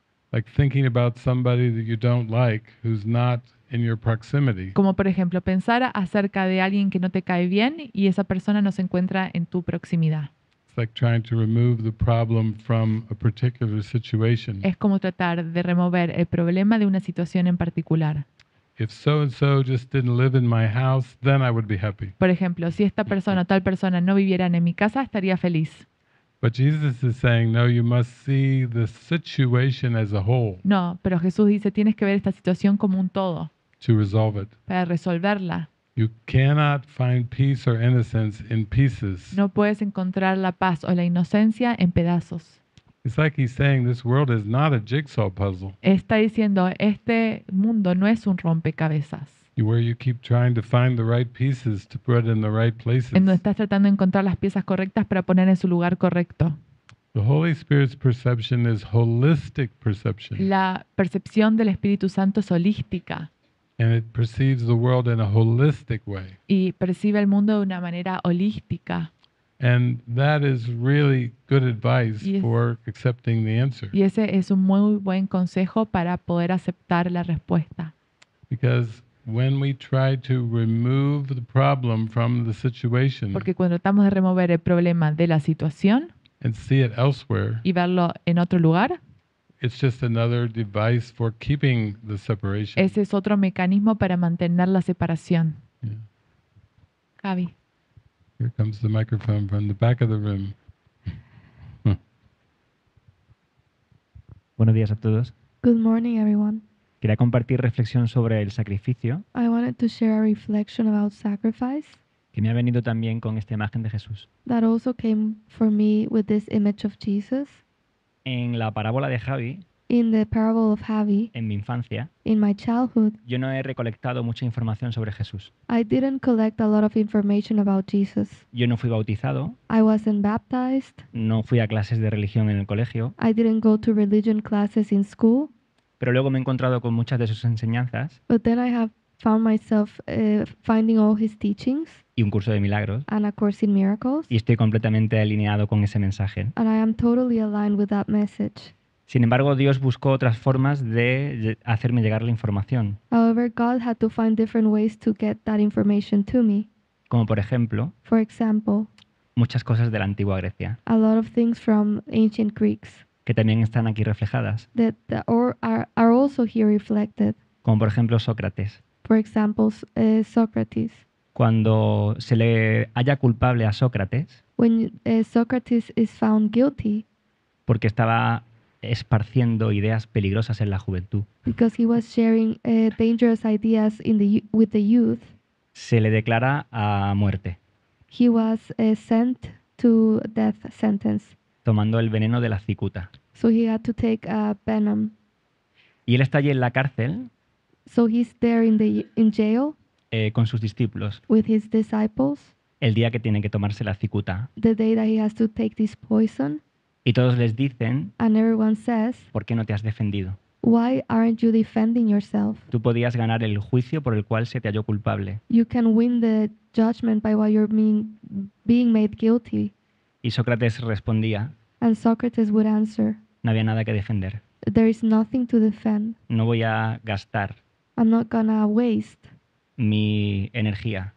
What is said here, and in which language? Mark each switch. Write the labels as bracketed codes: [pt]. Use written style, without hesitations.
[en] Like thinking about somebody that you don't like who's not in your proximity. [es] Como por ejemplo, pensar acerca de alguien que no te cae bien y esa persona no se encuentra en tu proximidad. [en] It's like trying to remove the problem from a particular situation. [es] Es como tratar de remover el problema de una situación en particular. [en] If so and so just didn't live in my house, then I would be happy. [es] Por ejemplo, si esta persona, tal persona no vivieran en mi casa, estaría feliz. [en] But Jesus is saying, no, you must see the situation as a whole. [es] No, pero Jesús dice, tienes que ver esta situación como un todo. [en] To resolve it. [es] Para resolverla. [en] You cannot find peace or innocence in pieces. [es] No puedes encontrar la paz o la inocencia en pedazos. [en] It's like he's saying this world is not a jigsaw puzzle. [es] Está diciendo, este mundo no es un rompecabezas. [en] Where you keep trying to find the right pieces to put in the right places. [es] En donde estás tratando de encontrar las piezas correctas para poner en su lugar correcto. [en] The Holy Spirit's perception is holistic perception. [es] La percepción del Espíritu Santo es holística. [en] And it perceives the world in a holistic way. [es] Y percibe el mundo de una manera holística. [en] And that is really good advice for accepting the answer. [es] Y ese es un muy buen consejo para poder aceptar la respuesta. [en] Because when we try to remove the problem from the situation, [es] porque cuando tratamos de remover el problema de la situación, [en] and see it elsewhere, [es] y verlo en otro lugar, [en] it's just another device for keeping the separation. [es] Ese es otro mecanismo para mantener la separación. [en] Javi. Yeah. Here comes the microphone from the back of the room. [es] Buenos días a todos. [en] Good morning, everyone. [es] Quería compartir reflexión sobre el sacrificio. [en] I wanted to share a reflection about sacrifice. [es] Que me ha venido también con esta imagen de Jesús. [en] That also came for me with this image of Jesus. [es] En la parábola de Javi. [en] In the parable of Javi. [es] En mi infancia. [en] In my childhood. [es] Yo no he recolectado mucha información sobre Jesús. [en] I didn't collect a lot of information about Jesus. [es] Yo no fui bautizado. [en] I wasn't baptized. [es] No fui a clases de religión en el colegio. [en] I didn't go to religion classes in school. [es] Pero luego me he encontrado con muchas de sus enseñanzas. [en] But then I have found myself finding all his teachings. [es] Y un curso de milagros. [en] And a course in miracles. [es] Y estoy completamente alineado con ese mensaje. [en] And I am totally aligned with that message. [es] Sin embargo, Dios buscó otras formas de hacerme llegar la información. [en] However, God had to find different ways to get that information to me. [es] Como por ejemplo. [en] For example. [es] Muchas cosas de la antigua Grecia. [en] A lot of things from ancient Greeks. [es] Que también están aquí reflejadas. [en] That are also here reflected. [es] Como por ejemplo Sócrates. [en] For example, Socrates. [es] Cuando se le haya culpable a Sócrates. [en] When Socrates is found guilty. [es] Porque estaba esparciendo ideas peligrosas en la juventud. [en] Because he was sharing dangerous ideas with the youth. [es] Se le declara a muerte. [en] He was sent to death sentence. [es] Tomando el veneno de la cicuta. [en] So he had to take a venom. [es] Y él está allí en la cárcel. [en] So he's there in jail. [es] Con sus discípulos. [en] With his disciples. [es] El día que tiene que tomarse la cicuta. [en] The day that he has to take this poison. [es] Y todos les dicen. [en] And everyone says. [es] ¿Por qué no te has defendido? [en] Why aren't you defending yourself? [es] Tú podías ganar el juicio por el cual se te halló culpable. [en] You can win the judgment by why you're being made guilty. [es] Y Sócrates respondía. [en] And Socrates would answer. [es] No había nada que defender. [en] There is nothing to defend. [es] No voy a gastar. [en] I'm not gonna waste. [es] Mi energía.